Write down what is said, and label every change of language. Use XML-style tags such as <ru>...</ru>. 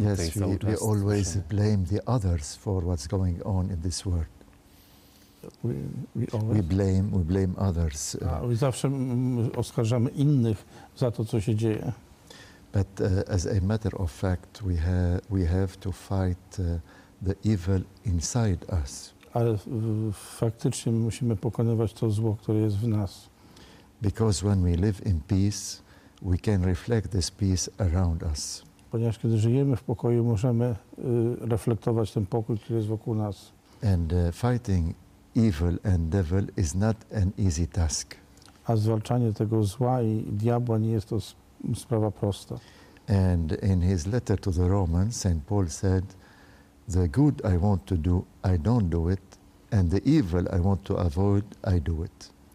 <en>Yes, we always blame the others for what's going on in this world. We blame others.</en> <pl>A, zawsze oskarżamy innych za to, co się dzieje.</pl> <en>But as a matter of fact, we have to fight the evil inside us.</en> <pl>Ale faktycznie musimy pokonywać to zło, które jest w nas.</pl> <en>Because when we live in peace, we can reflect this peace around us.</en> <pl>Ponieważ kiedy żyjemy w pokoju, możemy reflektować ten pokój, który jest wokół nas.</pl> <en>And fighting evil and devil is not an easy task.</en> <pl>A zwalczanie tego zła i diabła nie jest to sprawa prosta.</pl> <en>And in his letter to the Romans, St. Paul said, the good I want to do, I don't do it, and the evil I want to avoid, I do it.</en>